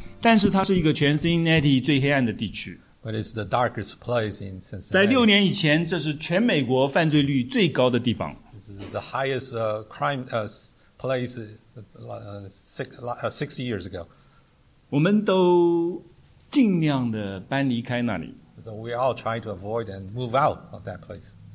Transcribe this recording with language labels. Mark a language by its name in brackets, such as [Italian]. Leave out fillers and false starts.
[Chinese] 但是它是一个全Cincinnati最黑暗的地区。 [English] But it's the darkest place in Cincinnati. [Chinese] 在六年以前，这是全美国犯罪率最高的地方。 [English] This is the highest crime place six years ago. [Chinese] 我们都尽量的搬离开那里。 [English] So we all try to avoid and move out of that place.